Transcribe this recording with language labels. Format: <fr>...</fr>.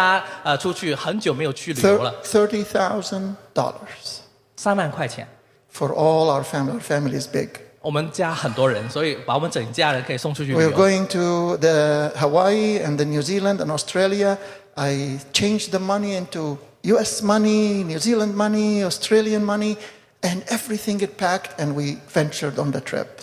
<zh>然后呢要去拆我们这家出去很久没有去旅游了</zh> <en>$30,000</en> <zh>3万块钱</zh> <en>for all our family, our family is big</en> <zh>我们家很多人，所以把我们整家人可以送出去旅游</zh> <en>we're going to the Hawaii and the New Zealand and Australia I changed the money into US money, New Zealand money, Australian money And everything it packed, and we ventured on the trip.</en>